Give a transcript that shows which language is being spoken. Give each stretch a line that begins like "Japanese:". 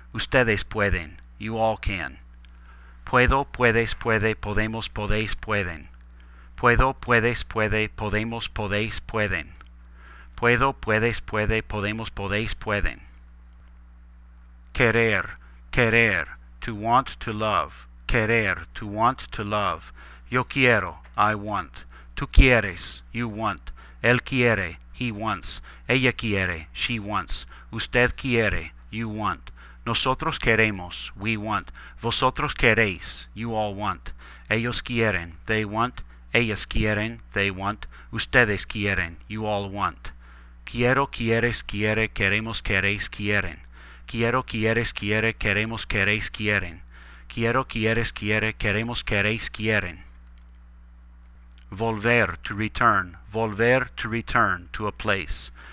Spanish: Ustedes pueden,
English: you all can.
Spanish: Puedo, puedes, puede, podemos, podéis, pueden. Puedo, puedes, puede, podemos, podéis, pueden. Puedo, puedes, puede, podemos, podéis, pueden.
English: Querer, querer, to want, to love. Querer, to want, to love.
Spanish: Yo quiero,
English: I want.
Spanish: Tú quieres,
English: you want.
Spanish: Él quiere,
English: he wants.
Spanish: Ella quiere,
English: she wants.
Spanish: Usted quiere,
English: you want.
Spanish: Nosotros queremos,
English: we want.
Spanish: Vosotros queréis,
English: you all want.
Spanish: Ellos quieren,
English: they want.
Spanish: Ellas quieren, they want. Ustedes quieren,
English: you all want.
Spanish: Quiero, quieres, quiere, queremos, queréis, quieren. Quiero, quieres, quiere, queremos, queréis, quieren. Quiero, quieres, quiere, queremos, queréis, quieren.
English: Volver, to return. Volver, to return, to a place.